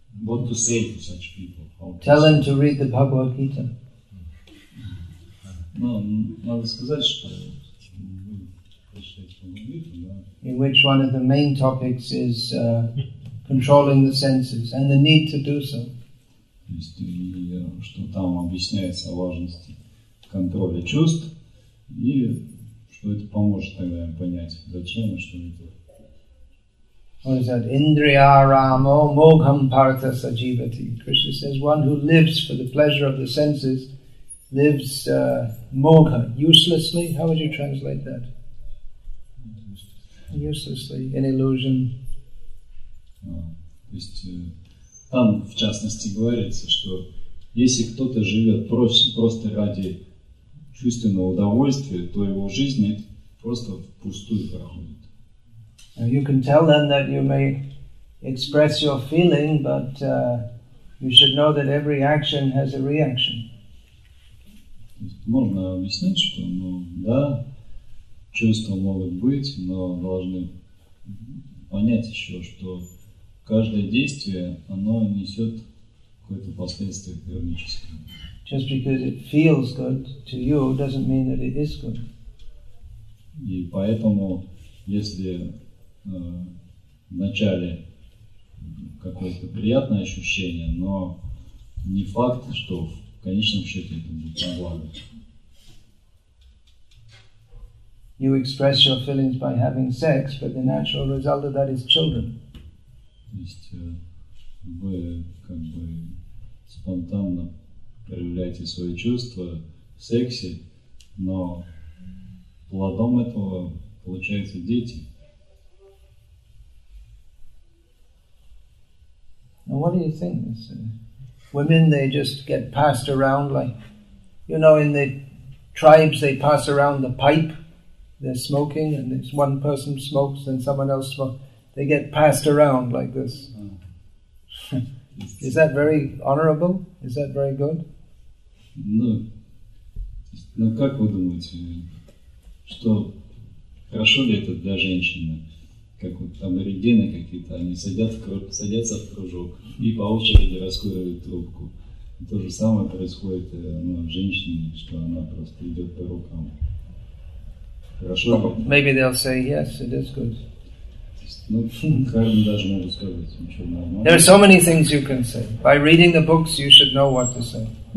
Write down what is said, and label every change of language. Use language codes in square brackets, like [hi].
[en] What to say to such people? Tell them to read the Bhagavad Gita. No, [ru] надо сказать, что мы прочитать Bhagavad Gita, да. [en] In which one of the main topics is controlling the senses and the need to do so. [ru] То есть, что там объясняется о важности контроля чувств, и что это поможет тогда им понять, зачем и что это. [en] What is that? [sa] Indriya Ramo Mogham Partha Sajivati. [en] Krishna says, one who lives for the pleasure of the senses lives mogha, uselessly. How would you translate that? Uselessly, in illusion. [ru] То есть, там, в частности, говорится, что если кто-то живет просто ради чувственного удовольствия, то его жизнь просто впустую проходит. [en] You can tell them that you may express your feeling, but you should know that every action has a reaction. [ru] Можно объяснить, что чувства могут быть, но должны понять еще, что каждое действие, оно несет какое-то последствие кармическое. [en] Just because it feels good to you doesn't mean that it is good. [ru] И поэтому, если вначале какое-то приятное ощущение, но не факт, что в конечном счете это будет на благо. [en] You express your feelings by having sex, but the natural result of that is children. [ru] То есть вы спонтанно проявляете свои чувства в сексе, но плодом этого получаются дети. [en] Now what do you think? Women, they just get passed around like, in the tribes they pass around the pipe, they're smoking, and it's one person smokes and someone else smokes. They get passed around like this. Is that very honorable? Is that very good? [ru] Ну, как вы думаете, что хорошо ли это для женщины? Как вот там аборигены какие-то, они садятся в кружок и по очереди раскуривают трубку. То же самое происходит с женщиной, что она просто идет по рукам. Хорошо? [en] Maybe they'll say yes, it is good. There are so many things you can say. By reading the books, you should know what to say.